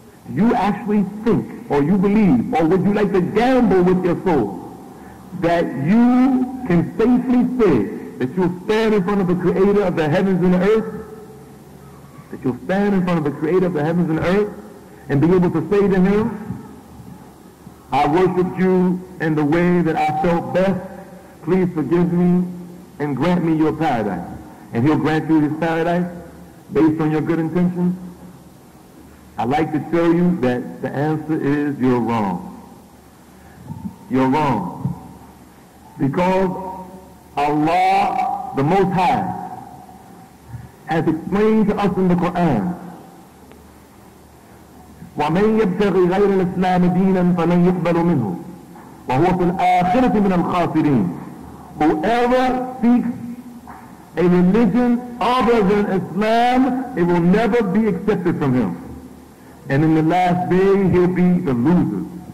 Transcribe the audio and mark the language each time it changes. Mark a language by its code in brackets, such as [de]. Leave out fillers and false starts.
[en] you actually think, or you believe, or would you like to gamble with your soul, that you can safely say that you'll stand in front of the Creator of the heavens and the earth, that you'll stand in front of the Creator of the heavens and the earth, and be able to say to him, I worshiped you in the way that I felt best. Please forgive me and grant me your paradise. And he'll grant you his paradise based on your good intentions. I'd like to tell you that the answer is you're wrong. You're wrong. Because Allah, the Most High, has explained to us in the Quran, [ar] وَمَنْ يَبْتَغِ غَيْرَ الْإِسْلَامِ دِينًا فَلَنْ يُقْبَلُ مِنْهُ وَهُوَ فِي الْآخِرَةِ مِنَ الْخَاسِرِينَ. [en] Whoever seeks a religion other than Islam, it will never be accepted from him. And in the last day, he'll be the loser.